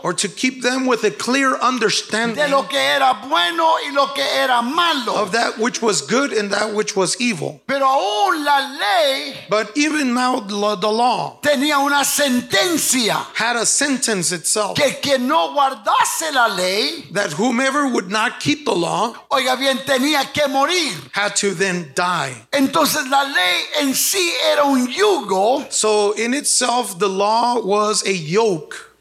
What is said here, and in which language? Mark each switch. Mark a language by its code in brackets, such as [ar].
[en] or to keep them with a clear understanding, [es] de lo que era bueno y lo que era malo, [en] of that which was good and that which was evil. [es] Pero aún la ley, [en] but even now the law, [es] tenía una sentencia, [en] had a sentence itself, [es] que quien no guardase la ley, [en] that whomever would not keep the law, [es] oiga bien, tenía que morir, [en] had to then die. [es] Entonces la ley en sí era un yugo. [en] So in itself, the law was a yoke.